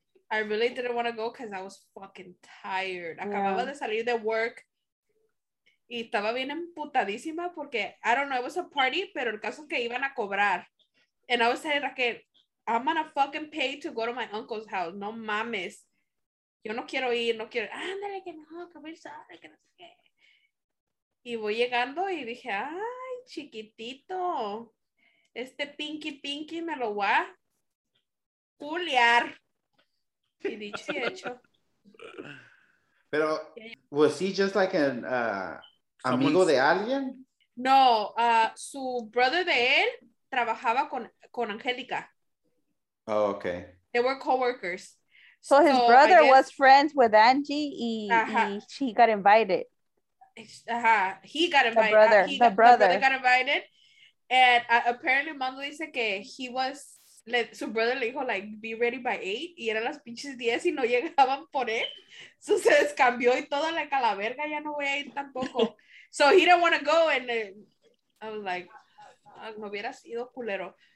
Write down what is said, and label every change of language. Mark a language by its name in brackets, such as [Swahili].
[English] I really didn't want to go because I was fucking tired. [Spanish] Acababa de salir de [English] work. [Spanish] Y estaba bien emputadísima porque, [English] I don't know, it was a party, [Spanish] pero el caso es que iban a cobrar. [English] And I was saying, Raquel, I'm gonna fucking pay to go to my uncle's house. [Spanish] No mames. Yo no quiero ir, no quiero. Ándale, que no, [English] come inside, [Spanish] que no sé qué. Y voy llegando y dije, ay, chiquitito. Este pinky me lo voy a culiar. Y dicho y hecho. [English] Pero, was he just like an... [Spanish] ¿Amigo de alguien? No, su brother de él trabajaba con Angélica. [English] Oh, okay. They were co-workers. So his brother was friends with Angie y she got invited. He got invited. The brother got invited. And apparently Mando [Spanish] dice que su brother le dijo, [English] like, be ready by 8. [Spanish] Y eran las pinches 10 y no llegaban por él. So se descambió y todo, like, a la verga, ya no voy a ir tampoco. [English] So he didn't want to go, and then I was like, [Spanish] no hubiera sido culero.